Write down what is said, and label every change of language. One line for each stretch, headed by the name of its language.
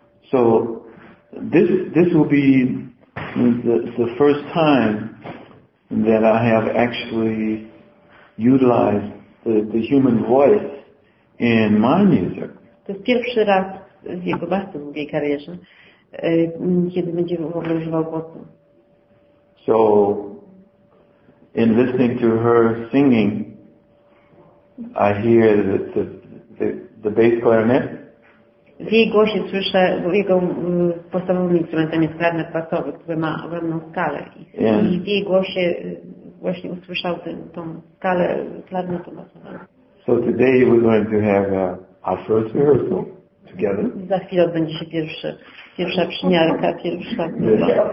English: So this will be the first time that I have actually utilized the human voice in my music.
Polish: To jest pierwszy raz w jego bardzo długiej karierze, kiedy będzie w ogóle używał głosu.
English: So in listening to her singing, I hear the bass clarinet.
Polish: W jej głosie słyszę, jego podstawowym instrumentem jest klarnet basowy, który ma ogromną skalę. I w jej głosie właśnie usłyszał ten, tą skalę klarnetu.
English: So today we're going to have our first rehearsal together.
Polish: Za chwilę odbędzie się pierwsza przymiarka, pierwsza próba.